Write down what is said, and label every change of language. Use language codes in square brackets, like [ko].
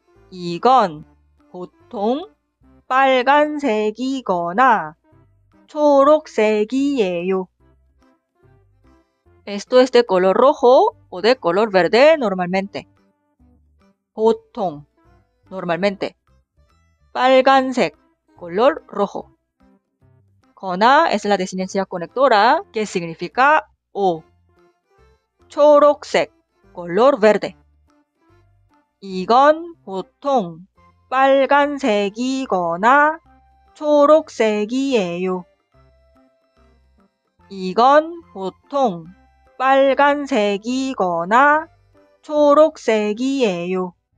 [ko] 이건 보통 빨간색이거나 초록색이에요. [es] Esto es de color rojo o de color verde normalmente. 보통, normalmente. 빨간색, color rojo. 거나 es la desinencia conectora que significa o. 초록색, color verde. [ko] 이건 보통 빨간색이거나 초록색이에요. 이건 보통 빨간색이거나 초록색이에요.